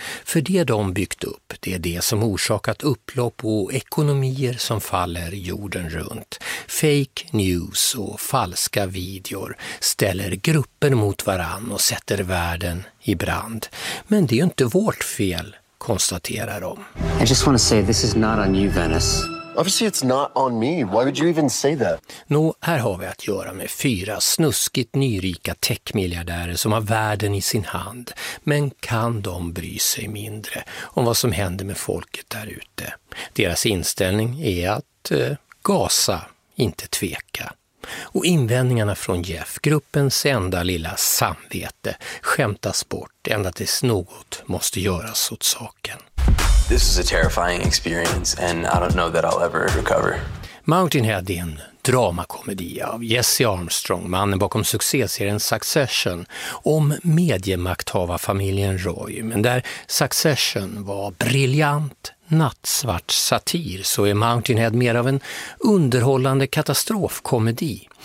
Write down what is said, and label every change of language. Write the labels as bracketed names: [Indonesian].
[Swedish] För det de byggt upp, det är det som orsakat upplopp och ekonomier som faller jorden runt. Fake news och falska videor ställer grupper mot varann och sätter världen i brand. Men det är ju inte vårt fel, konstaterar de. [English] I just want to say this is not on you, Venice. Obviously it's not on me. Why would you even say that? [Swedish] Nå, här har vi att göra med fyra snuskigt nyrika techmiljardärer som har världen i sin hand. Men kan de bry sig mindre om vad som händer med folket där ute? Deras inställning är att gasa, inte tveka. Och invändningarna från Jeff, gruppens enda lilla samvete, skämtas bort ända tills något måste göras åt saken. [English] This is a terrifying experience and I don't know that I'll ever recover. [Swedish] Mountainhead är en dramakomedi av Jesse Armstrong, mannen bakom succéserien Succession, om mediemakthava familjen Roy. Men där Succession var briljant nattsvart satir så är Mountainhead mer av en underhållande katastrofkomedi.